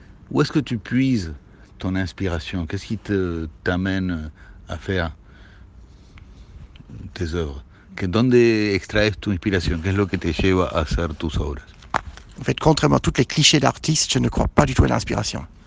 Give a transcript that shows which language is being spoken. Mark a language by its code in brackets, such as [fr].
[fr] Où est-ce que tu puises ton inspiration? Qu'est-ce qui t'amène à faire tes œuvres? [es] ¿Dónde extraes tu inspiración? ¿Qué es lo que te lleva a hacer tus obras? [fr] En fait, contrairement à tous les clichés d'artistes, je ne crois pas du tout à l'inspiration.